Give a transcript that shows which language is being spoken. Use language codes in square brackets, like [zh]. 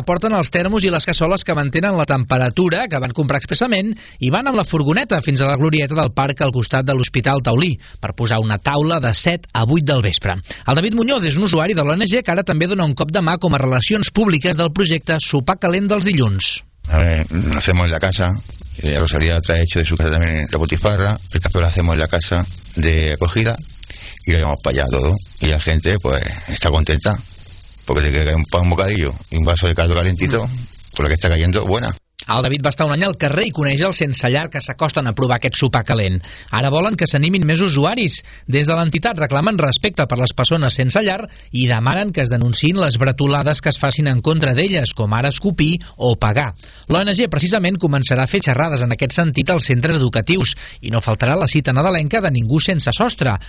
[ca] Porten els termos i les cassoles que mantenen la temperatura, que van comprar expressament, i van amb la furgoneta fins a la glorieta del parc al costat de l'Hospital Taulí per posar una taula de 7 a 8 del vespre. El David Muñoz és un usuari de l'ONG que ara també dona un cop de mà com a relacions públiques del projecte Sopar Calent dels dilluns. [es] A ver, lo hacemos en la casa, Rosalía trae hecho de su casa también la botifarra, el café lo hacemos en la casa de acogida y lo llevamos para allá todo. Y la gente pues está contenta porque te cae un pan, un bocadillo y un vaso de caldo calentito, por la que está cayendo, buena. [ca] El David va estar un any al carrer i coneix els sense llar que s'acosten a provar aquest sopar calent. Ara volen que s'animin més usuaris. Des de l'entitat reclamen respecte per les persones sense llar i demanen que es denunciïn les bretolades que es facin en contra d'elles, com ara escopir o pagar. L'ONG precisament començarà a fer xerrades en aquest sentit als centres educatius i no faltarà la cita nadalenca de Ningú Sense Sostre.